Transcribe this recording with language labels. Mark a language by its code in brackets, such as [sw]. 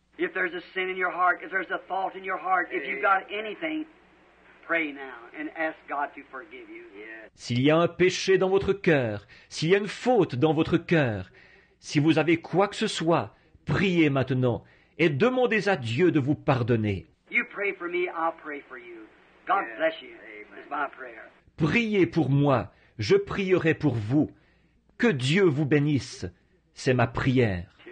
[en] If there's a sin in your heart, if there's a fault in your heart, if you've got anything, pray now and ask God to forgive you. [fr] S'il y a un péché dans votre cœur, s'il y a une faute dans votre cœur, si vous avez quoi que ce soit, priez maintenant et demandez à Dieu de vous pardonner. [en] You pray for me, I'll pray for you. God bless you. It's my prayer. [fr] Priez pour moi, je prierai pour vous. Que Dieu vous bénisse. C'est ma prière.